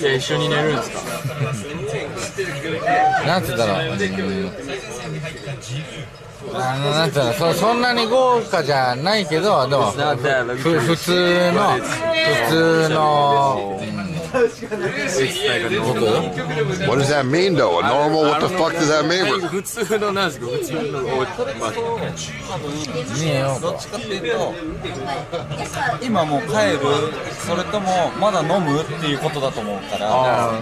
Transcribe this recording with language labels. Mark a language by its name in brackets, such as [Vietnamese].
[Japanese] いや、一緒に寝るんですか。なんて言ったら、あのなんて言ったら、そんなに豪華じゃないけど、でも普通の普通の。 [English] Like、what does that mean though? A normal? What the fuck does that mean? With? [Japanese] 普通のなんですか普通の場所どっちかっていうと今もう帰るそれともまだ飲むっていうことだと思うから